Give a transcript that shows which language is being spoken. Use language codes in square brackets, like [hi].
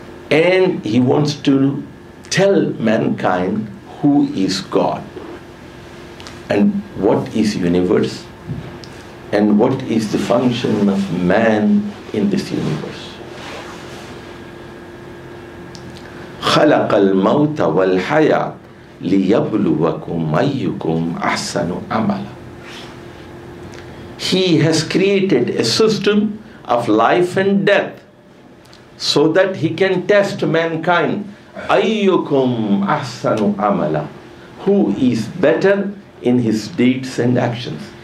[en] And He wants to tell mankind who is God, and what is universe, and what is the function of man in this universe. [ar] خلق الموت والحياة ليبلوكم أيكم أحسن عملا. [en] He has created a system of life and death so that He can test mankind. [ar] أيكم أحسن عملا. [en] Who is better in his deeds and actions?